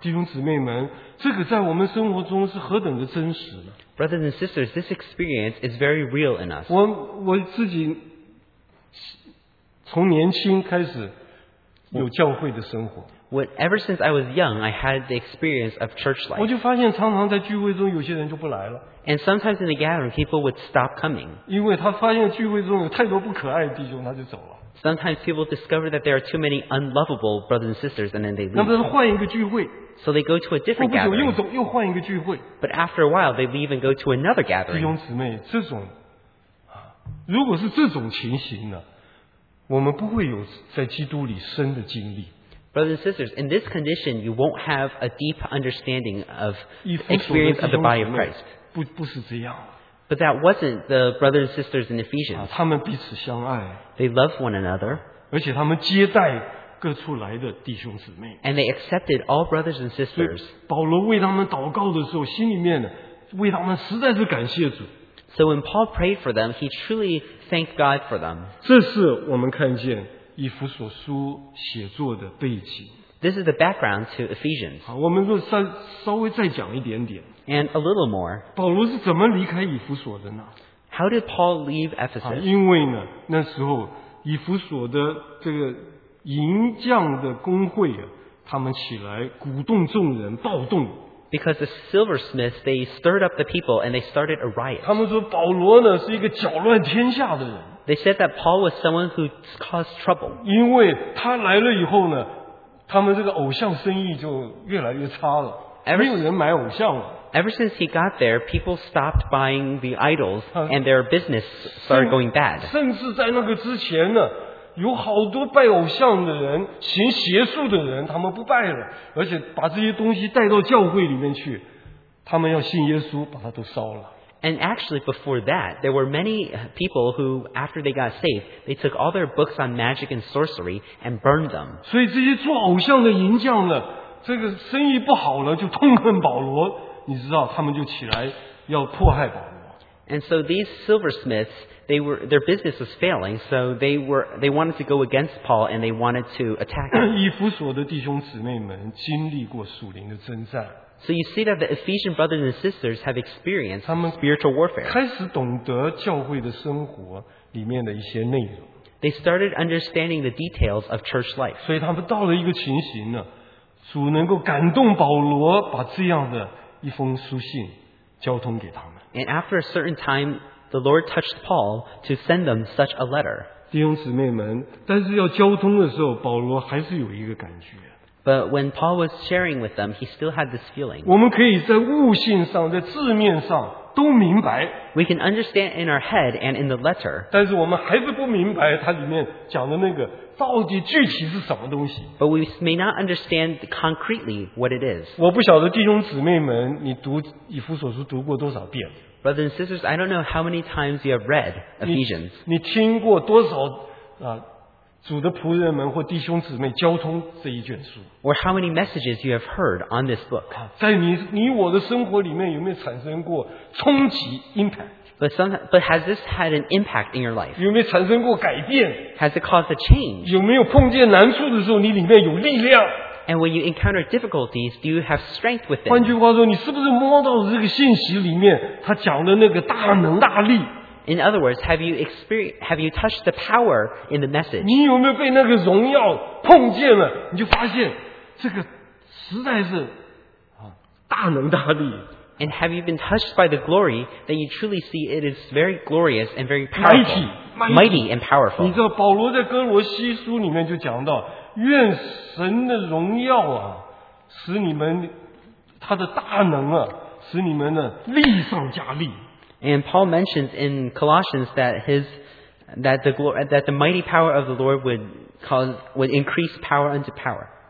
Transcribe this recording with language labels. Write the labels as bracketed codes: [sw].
[zh] 弟兄姊妹们，这个在我们生活中是何等的真实呢 [en] ？Brothers and sisters, this experience is very real in us. [zh] 我自己从年轻开始有教会的生活。 [en] Ever since I was young, I had the experience of church life. [zh] 我就发现常常在聚会中有些人就不来了。 [en] And sometimes in the gathering, people would stop coming. [zh] 因为他发现聚会中有太多不可爱的弟兄，他就走了。 [en] Sometimes people discover that there are too many unlovable brothers and sisters and then they leave. [zh] 那不是换一个聚会。 [en] So they go to a different gathering. [zh] 又不久又走又换一个聚会。 [en] But after a while, they leave and go to another gathering. [zh] 弟兄姊妹，这种，如果是这种情形呢，我们不会有在基督里深的经历。 [en] Brothers and sisters, in this condition, you won't have a deep understanding of experience of the body of Christ. [zh] 不是这样。 [en] But that wasn't the brothers and sisters in Ephesians. [zh] 他们彼此相爱。 [en] They love one another. [zh] 而且他们接待各处来的弟兄姊妹。 [en] And they accepted all brothers and sisters. [zh] 保罗为他们祷告的时候，心里面为他们实在是感谢主。 [en] So when Paul prayed for them, he truly thanked God for them. [zh] 这是我们看见以弗所书写作的背景。 [en] This is the background to Ephesians. [zh] 我们就稍微再讲一点点。 [en] And a little more. [zh] 保罗是怎么离开以弗所的呢 [en] How did Paul leave Ephesus? [zh] 因为呢，那时候以弗所的这个银匠的工会啊，他们起来鼓动众人暴动。 [en] Because the silversmiths, they stirred up the people and they started a riot. [zh] 他们说保罗呢是一个搅乱天下的人。 [en] They said that Paul was someone who caused trouble. [zh] 因为他来了以后呢，他们这个偶像生意就越来越差了，没有人买偶像了。 [en] Ever since he got there, people stopped buying the idols and their business started going bad. [zh] 甚至在那个之前呢，有好多拜偶像的人，行邪术的人，他们不拜了，而且把这些东西带到教会里面去，他们要信耶稣，把它都烧了。 [en] And actually before that, there were many people who, after they got saved, they took all their books on magic and sorcery and burned them. [zh] 所以这些做偶像的银匠呢，这个生意不好了，就痛恨保罗，你知道，他们就起来要迫害保罗。 [en] And so these silversmiths, their business was failing, so they wanted to go against Paul and they wanted to attack him. [zh] 以弗所的弟兄姊妹们经历过属灵的征战。 [en] So you see that the Ephesian brothers and sisters have experienced spiritual warfare. [zh] 开始懂得教会的生活里面的一些内容。 [en] They started understanding the details of church life. [zh] 所以他们到了一个情形呢，主能够感动保罗把这样的一封书信交通给他们。 [en] And after a certain time, the Lord touched Paul to send them such a letter. [zh] 弟兄姊妹们，但是要交通的时候，保罗还是有一个感觉。 [en] But when Paul was sharing with them, he still had this feeling. [zh] 我们可以在悟性上，在字面上都明白。 [en] We can understand in our head and in the letter. [zh] 但是我们还是不明白它里面讲的那个到底具体是什么东西。 [en] But we may not understand concretely what it is. [zh] 我不晓得弟兄姊妹们，你读以弗所书读过多少遍。 [en] Brothers and sisters, I don't know how many times you have read Ephesians. [zh] 你听过多少啊？主的仆人们或弟兄姊妹交通这一卷书 [en] or how many messages you have heard on this book [zh] 在 你我的生活里面有没有产生过冲击 impact [en] but has this had an impact in your life [zh] 有没有产生过改变 [en] has it caused a change [zh] 有没有碰见难处的时候你里面有力量 [en] and when you encounter difficulties do you have strength within [zh] 换句话说你是不是摸到这个信息里面他讲的那个大能大力 [en] In other words, have you touched the power in the message? [zh] 你有没有被那个荣耀碰见了？你就发现这个实在是大能大力。 [en] And have you been touched by the glory that you truly see it is very glorious and very powerful, mighty and powerful? [zh] 你知道保罗在哥罗西书里面就讲到，愿神的荣耀啊，使你们他的大能啊，使你们呢力上加力。 [en] And Paul mentions in Colossians that the mighty power of the Lord would increase power unto power.